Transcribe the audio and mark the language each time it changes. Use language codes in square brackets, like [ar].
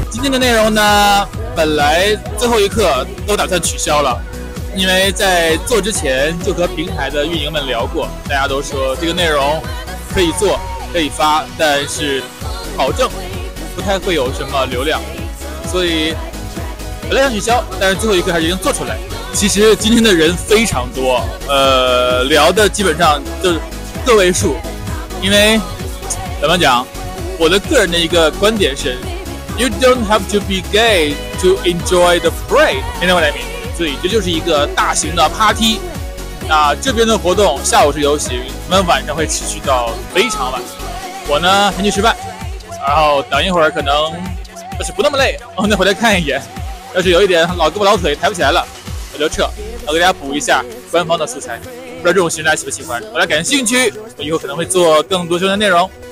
[zh] 的内容呢，本来最后一刻都打算取消了，因为在做之前就和平台的运营们聊过，大家都说这个内容可以做，可以发，但是保证不太会有什么流量，所以本来想取消，但是最后一刻还是已经做出来。其实今天的人非常多，聊的基本上就是个位数，因为怎么讲，我的个人的一个观点是。 [en] You don't have to be gay to enjoy the parade. You know what I mean? [zh] 所以这就是一个大型的 [en] party. [zh] 那这边的活动下午是游行，他们晚上会持续到非常晚。我呢先去吃饭，然后等一会儿可能要是不那么累，我再回来看一眼。要是有一点老胳膊老腿抬不起来了，我就撤。我给大家补一下官方的素材，不知道这种形式大家喜不喜欢，大家感兴趣，我以后可能会做更多相关内容。